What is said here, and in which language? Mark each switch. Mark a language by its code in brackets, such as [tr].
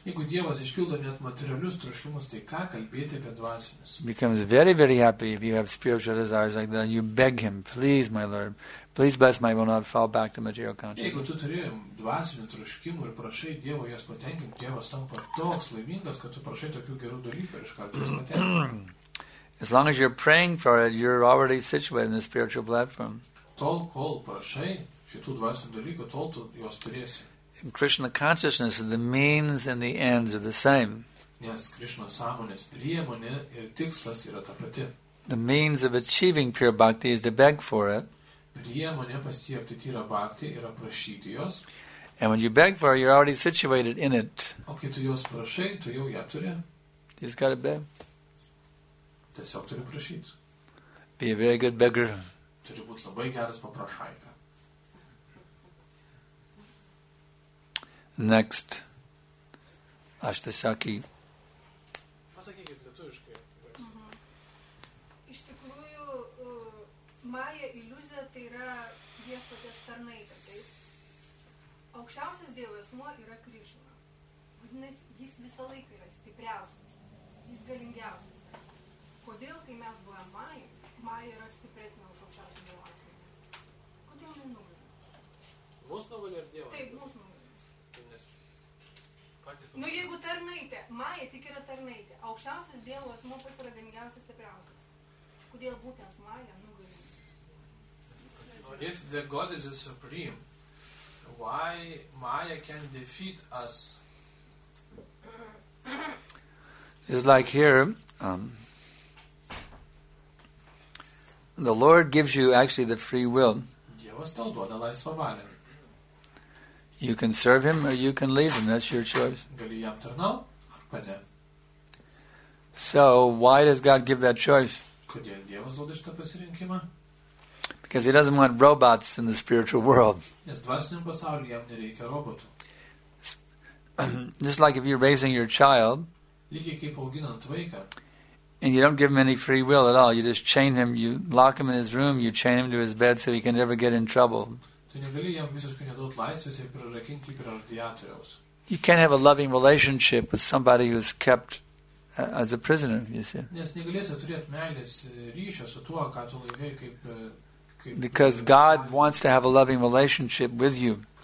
[lt] Jeigu Dievas išpildo net materialius troškimus, tai ką kalbėti apie dvasinius? [en] Becomes very, very happy if you have spiritual desires like that. You beg him, please, my Lord, please bless my will not fall back to material consciousness. [lt] Jeigu tu turi dvasinių troškimų ir prašai Dievo jas patenkinti, Dievas tampa toks laimingas, kad tu prašai tokių gerų dalykų ir iš karto jas patenkinti. [en] As long as you're praying for it, you're already situated in the spiritual platform. [lt] Tol, kol prašai, šitų dvasinių dalykų, tol tu juos turėsi. [en] In Krishna consciousness, the means and the ends are the same. [lt] Nes Krishna sąmonės priemonė ir tikslas yra ta pati. [en] The means of achieving pure bhakti is to beg for it. [lt] Priemonė pasiekti tyrą bhakti yra prašyti jos. [en] And when you beg for it, you're already situated in it. [lt] O kai tu jos prašai, tu jau ją turi. [en] You just gotta beg. [lt] Tiesiog turi prašyti. [en] Be a very good beggar. [lt] Turi būti labai geras paprašaika. [en] Next. [lt] Aš tiesiog pasakykit lietuviškai. Iš tikrųjų, Maja iliuzija tai yra viešpatės tarnai, taip? Aukščiausias dievo asmuo yra Krišna. Vadinasi, jis visą laiką yra stipriausias. Jis galingiausias. Kodėl, kai mes buvom Maja, Maja yra stipresnė už aukščiausią dievo asmenį? Kodėl jis nugalė? Mūsų nugalė ar dievo? Taip, mūsų nugalė. Nu, jeigu tarnaitė, Maja tik yra tarnaitė, aukščiausias dievo asmuo pas yra galingiausias, stipriausias. Kodėl būtent Maja nugalė? [en] If the God is the supreme, why Maya can defeat us? It's like here, the Lord gives you actually the free will. [lt] Dievas tau duoda laisvą valią. [en] You can serve him or you can leave him, that's your choice. [lt] Gali jam tarnau ar pade. [en] So why does God give that choice? [lt] Kodėl Dievas duoda šitą pasirinkimą? [en] Because he doesn't want robots in the spiritual world. [lt] Nes dvasiniam pasaulyje jam nereikia robotų. [en] Just like if you're raising your child, [lt] lygiai kaip auginant vaiką, [en] and you don't give him any free will at all, you just chain him, you lock him in his room, you chain him to his bed so he can never get in trouble. [lt] Tu negali jam visiškai neduot laisvės ir prirakinti jį prie radiatoriaus. [en] You can't have a loving relationship with somebody who is kept as a prisoner, you see. [lt] Nes negalėsi turėti meilės ryšio su tuo, ką tu laikai kaip... [en] Because God wants to have a loving relationship with you.